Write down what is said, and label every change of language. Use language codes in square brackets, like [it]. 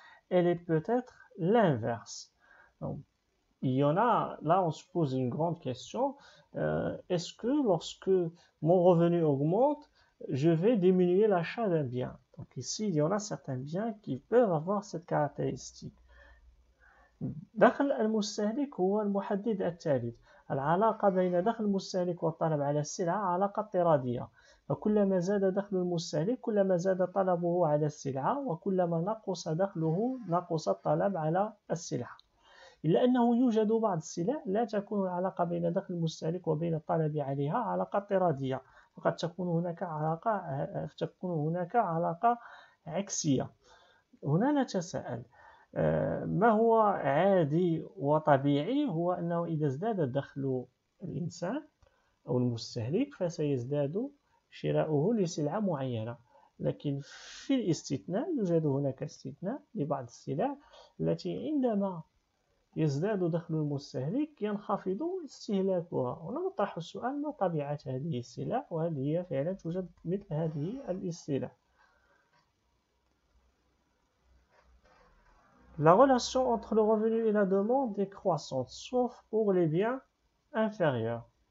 [fr] Elle est peut-être l'inverse. Donc, il y en a, là, on se pose une grande question. Est-ce que lorsque mon revenu augmente, je vais diminuer l'achat d'un bien? Donc ici, il y en a certains biens qui peuvent avoir cette caractéristique. [ar] دخل المستهلك هو المحدد الثالث. العلاقة بين دخل المستهلك والطلب على السلعة علاقة طرادية، فكلما زاد دخل المستهلك كلما زاد طلبه على السلعة، وكلما نقص دخله نقص الطلب على السلعة. إلا أنه يوجد بعض السلع لا تكون العلاقة بين داخل المستهلك وبين الطالب عليها علاقة طرادية، فقد تكون هناك علاقة تكون هناك علاقة عكسية. هنا نتساءل ما هو عادي وطبيعي؟ هو أنه إذا ازداد دخل الإنسان أو المستهلك فسيزداد شراؤه لسلعة معينة، لكن في الاستثناء يوجد هناك استثناء لبعض السلع التي عندما يزداد دخل المستهلك ينخفض استهلاكها. ونطرح السؤال، ما طبيعة هذه السلع؟ وهل هي فعلا توجد مثل هذه السلع؟ [fr] La relation entre le revenu et la demande est croissante, sauf pour les biens inférieurs.